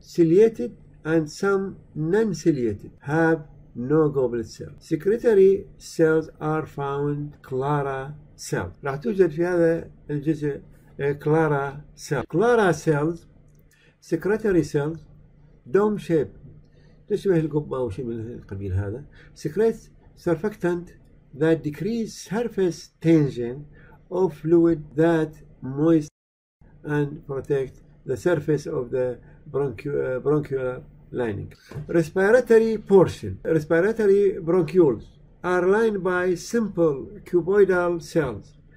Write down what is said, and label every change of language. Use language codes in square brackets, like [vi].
[en] Ciliated and some non-ciliated have no goblet cell. Secretory cells are found clara cell. [ar] راح توجد في هذا الجزء clara cell. [en] Clara cells, secretory cells, dome shape. [ar] تشبه القبة أو شيء من القبيل هذا. [en] Secrete surfactant that decrease surface tension of fluid that moist and protect the surface of the bronchiolar lining. Respiratory portion. Respiratory bronchioles are lined by simple cuboidal cells.